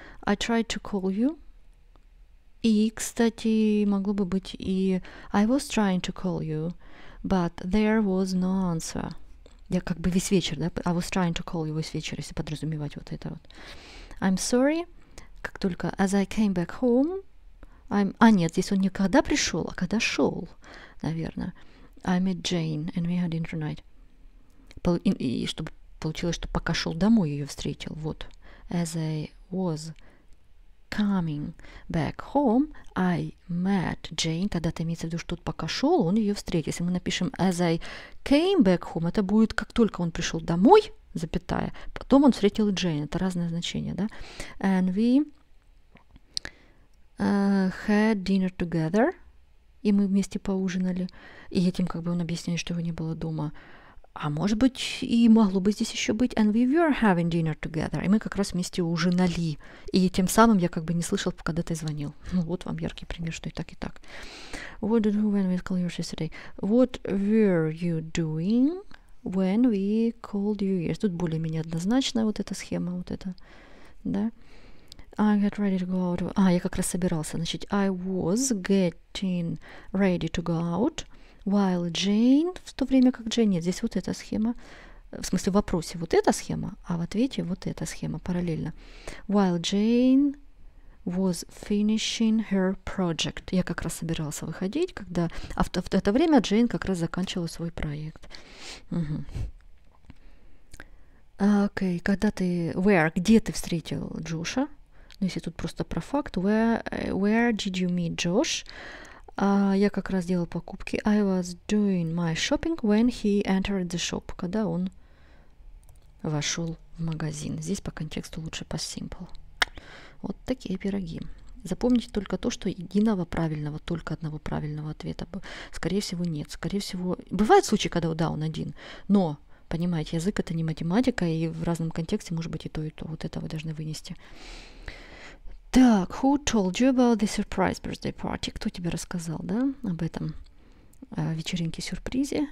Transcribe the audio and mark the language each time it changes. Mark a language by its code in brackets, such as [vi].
[en] I tried to call you. [ru] И, кстати, могло бы быть и [en] I was trying to call you, but there was no answer. [ru] Я как бы весь вечер, да? [en] I was trying to call you [ru] весь вечер, если подразумевать вот это вот. [en] I'm sorry. [ru] Как только [en] as I came back home, I'm... [ru] А, нет, здесь он не когда пришел, а когда шел, наверное. [en] I met Jane and we had dinner tonight. [ru] И чтобы получилось, что пока шел домой, ее встретил. [en] Вот. As I was coming back home, I met Jane. [ru] Когда-то имеется в виду, что тут пока шел, он ее встретил. Если мы напишем [en] as I came back home, [ru] это будет как только он пришел домой, запятая. Потом он встретил Джейн. Это разное значение, да? [en] And we had dinner together. [ru] И мы вместе поужинали. И этим как бы он объясняет, что его не было дома. А может быть, и могло бы здесь еще быть. [en] And we were having dinner together. [ru] И мы как раз вместе ужинали. И тем самым я как бы не слышал, когда ты звонил. Ну вот вам яркий пример, что и так, и так. [en] What did you, when we called you yesterday? What were you doing when we called you yesterday? [ru] Тут более-менее однозначная вот эта схема, вот эта, да? [en] I get ready to go out. [ru] А, я как раз собирался. Значит, [en] I was getting ready to go out while Jane, [ru] в то время как Jane, нет, здесь вот эта схема, в смысле в вопросе вот эта схема, а в ответе вот эта схема параллельно. [en] While Jane was finishing her project. [ru] Я как раз собирался выходить, когда, а в это время Джейн как раз заканчивала свой проект. Угу. Окей, когда ты, where, где ты встретил Джоша? Ну, если тут просто про факт. [en] Where did you meet Josh? [ru] Я как раз делал покупки. [en] I was doing my shopping when he entered the shop. [ru] Когда он вошел в магазин. Здесь по контексту лучше по simple. Вот такие пироги. Запомните только то, что единого правильного, только одного правильного ответа, скорее всего, нет. Скорее всего, бывают случаи, когда да, он один. Но, понимаете, язык — это не математика, и в разном контексте может быть и то, вот это вы должны вынести. [en] Так, who told you about the surprise birthday party? [ru] Кто тебе рассказал, да, об этом вечеринке-сюрпризе?